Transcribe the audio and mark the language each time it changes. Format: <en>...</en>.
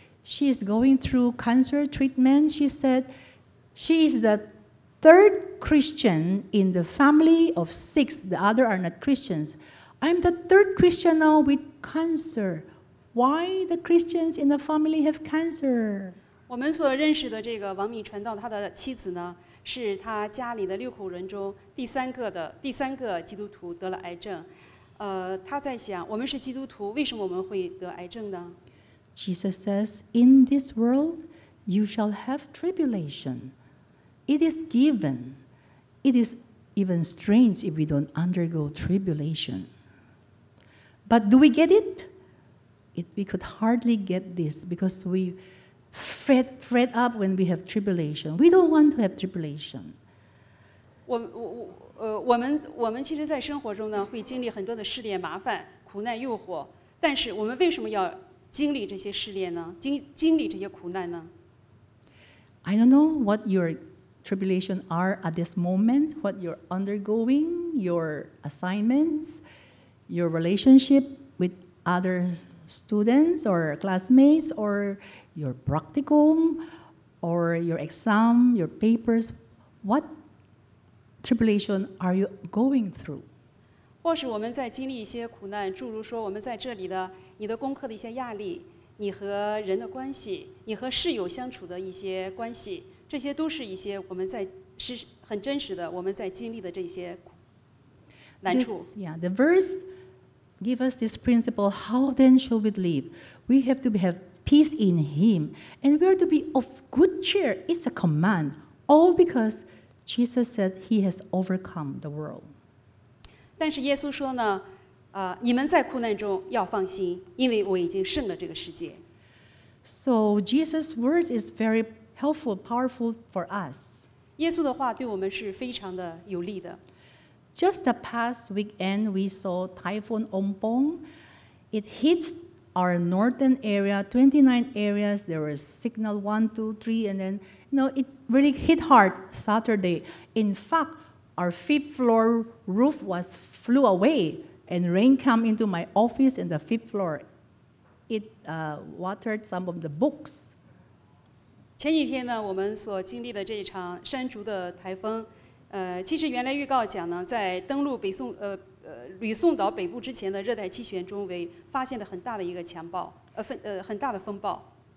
<en>She is going through cancer treatment. She said she is the third Christian in the family of six. The other are not Christians. I'm the third Christian now with cancer. Why the Christians in the family have cancer?</en> <zh>我们所认识的这个王敏传道，他的妻子呢，是他家里的六口人中第三个基督徒得了癌症。他在想，我们是基督徒，为什么我们会得癌症呢？</zh> <en>Jesus says, "In this world, you shall have tribulation. It is given. It is even strange if we don't undergo tribulation." But do we get it? We could hardly get this because we fret up when we have tribulation. We don't want to have tribulation.</en> <zh>我们其实在生活中呢，会经历很多的试炼、麻烦、苦难、诱惑。但是我们为什么要经历这些试炼呢？经历这些苦难呢</zh> <en>？I don't know what your tribulation are at this moment. What you're undergoing, your assignments. Your relationship with other students or classmates or your practicum or your exam, your papers, what tribulation are you going through?</en> <zh>或是我们在经历一些苦难，诸如说我们在这里的你的功课的一些压力，你和人的关系，你和室友相处的一些关系，这些都是一些我们在是很真实的我们在经历的这些难处。</zh> <en>The verse. Give us this principle, how then shall we live? We have to have peace in Him, and we are to be of good cheer. It's a command, all because Jesus said He has overcome the world.</en> <zh>但是耶稣说呢，你们在苦难中要放心，因为我已经胜了这个世界。</zh> <en>So Jesus' words is very helpful, powerful for us.</en> <zh>耶稣的话对我们是非常的有力的。</zh> <en>Just the past weekend, we saw Typhoon Ompong. It hits our northern area, 29 areas. There was signal 1, 2, 3, and then, you know, it really hit hard Saturday. In fact, our fifth floor roof flew away, and rain came into my office in the fifth floor. It watered some of the books.</en> <zh>前几天呢，我们所经历的这一场山竹的台风。其实原来预告讲呢，在登陆北宋吕宋岛北部之前的热带气旋中为发现了很大的一个强暴很大的风暴。</zh>